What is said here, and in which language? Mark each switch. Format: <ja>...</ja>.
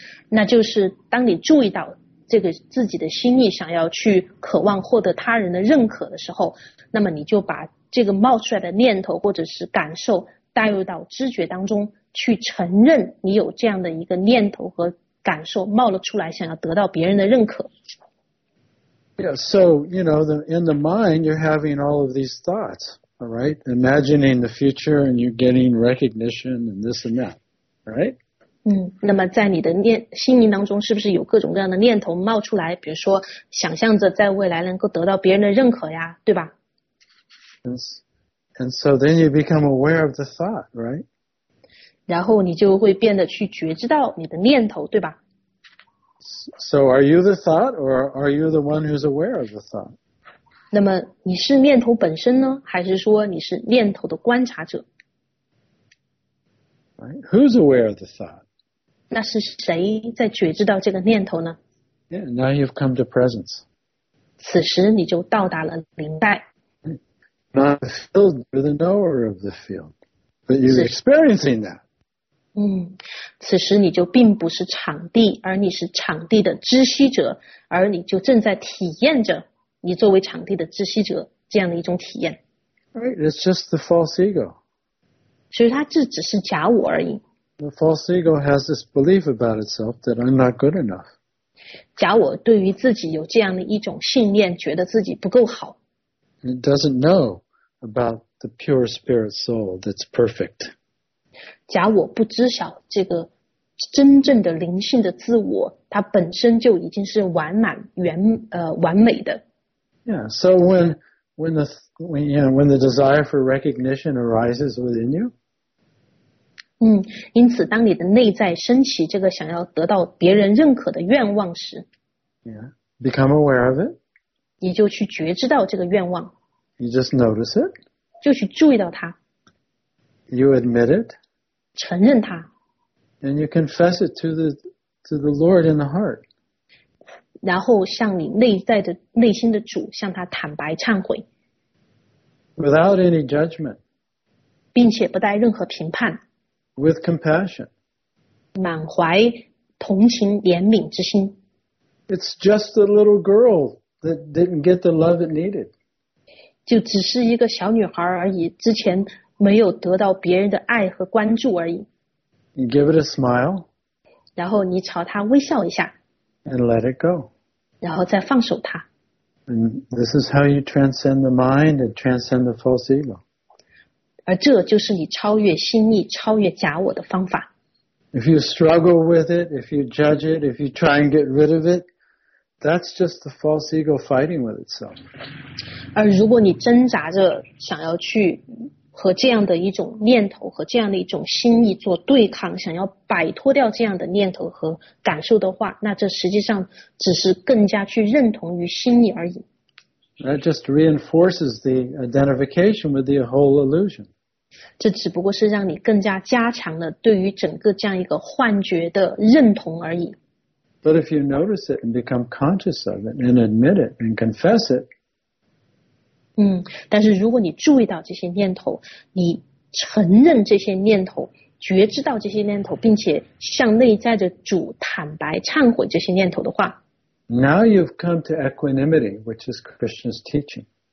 <zh>那就是当你注意到这个自己的心意想要去渴望获得他人的认可的时候，那么你就把这个冒出来的念头或者是感受带入到知觉当中，去承认你有这样的一个念头和感受冒了出来，想要得到别人的认可。</zh> <en>Yeah, so, you know, in the mind, you're having all of these thoughts, all right? Imagining the future and you're getting recognition and this and that, right?</en> <zh>那么在你的心灵当中是不是有各种各样的念头冒出来，比如说想象着在未来能够得到别人的认可呀，对吧？</zh> <en>And so then you become aware of the thought, right?</en> <zh>然后你就会变得去觉知到你的念头，对吧？</zh> <en>So are you the thought or are you the one who's aware of the thought?</en> <zh>那么你是念头本身呢，还是说你是念头的观察者？</zh> <en>Right. Who's aware of the thought?</en> <zh>那是谁在觉知到这个念头呢？</zh> <en>Yeah, now you've come to presence.</en> <zh>此时你就到达了临在。</zh> <en>Not the field, you're the knower of the field. But you're experiencing that.</en> <zh>此时你就并不是场地，而你是场地的知悉者，而你就正在体验着你作为场地的知悉者这样的一种体验。</zh> <en>Right, it's just the false ego.</en> <zh>其实它只是假我而已。</zh> <en>The false ego has this belief about itself that I'm not good enough.</en> <zh>假我对于自己有这样的一种信念，觉得自己不够好。</zh> <en>It doesn't know about the pure spirit soul that's perfect.</en> <zh>假我不知晓这个真正的灵性的自我，它本身就已经是完满圆完美的。</zh> <en>Yeah, so when the desire for recognition arises within you.</en> <zh>因此当你的内在升起这个想要得到别人认可的愿望时。</zh> <en>Yeah, become aware of it.</en> <zh>你就去觉知到这个愿望。</zh> <en>You just notice it.</en> <zh>就去注意到它。</zh> <en>You admit it.</en> <zh>承认他。</zh> <en>And you confess it to the Lord in the heart.</en> <zh>然后向你内在的内心的主向他坦白忏悔。</zh> <en>Without any judgment.</en> <zh>并且不带任何评判。</zh> <en>With compassion.</en> <zh>满怀同情怜悯之心。</zh> <en>It's just a little girl that didn't get the love it needed.</en> <zh>就只是一个小女孩而已，之前没有得到别人的爱和关注而已。</zh> <en>Give it a smile.</en> <zh>然后你朝她微笑一下。</zh> <en>And let it go.</en> <zh>然后再放手她。</zh> <en>And this is how you transcend the mind and transcend the false ego.</en> <zh>而这就是你超越心意、超越假我的方法。</zh> <en>If you struggle with it, if you judge it, if you try and get rid of it, that's just the false ego fighting with itself.</en> <zh>而如果你挣扎着想要去和这样的一种念头和这样的一种心意做对抗，想要摆脱掉这样的念头和感受的话，那这实际上只是更加去认同于心意而已。</zh> <en>That just reinforces the identification with the whole illusion.</en> <zh>这只不过是让你更加加强了对于整个这样一个幻觉的认同而已。</zh> <en>But if you notice it and become conscious of it and admit it and confess it,</en> <zh>但是如果你注意到这些念头，你承认这些念头，觉知到这些念头，并且向内在的主坦白忏悔这些念头的话，</zh> <en>Now you've come to equanimity, which is Krishna's teaching.</en>